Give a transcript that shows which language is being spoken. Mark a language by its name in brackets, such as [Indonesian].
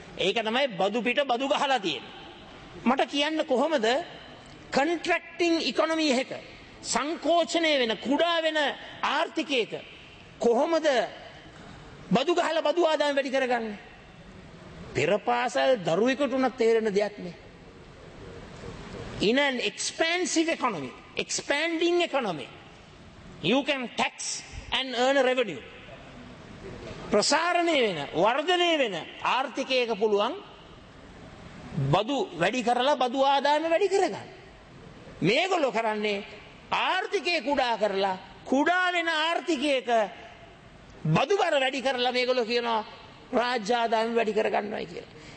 [Sinhala] ඒක තමයි බදු පිට බදු ගහලා තියෙන්නේ. මට කියන්න කොහොමද කන්ට්‍රැක්ටිං ඉකොනොමි එක, සංකෝචනය වෙන කුඩා වෙන ආර්ථිකයක කොහොමද බදු ගහලා බදු ආදායම් වැඩි කරගන්නේ? පෙර පාසල් දරුවෙකුට උනත් තේරෙන දෙයක් නේ. [English] In an expansive economy, expanding economy, you can tax and earn a revenue. [Sinhala] ප්‍රසාරණය වෙන, වර්ධනය වෙන ආර්ථිකයක පුළුවන් බදු වැඩි කරලා බදු ආදායම වැඩි කරගන්න. මේගොල්ලෝ කරන්නේ ආර්ථිකය කුඩා කරලා කුඩා වෙන ආර්ථිකයක බදු බර වැඩි කරලා මේගොල්ලෝ කියනවා රාජ්‍ය ආදායම් වැඩි කරගන්නවායි කියලා.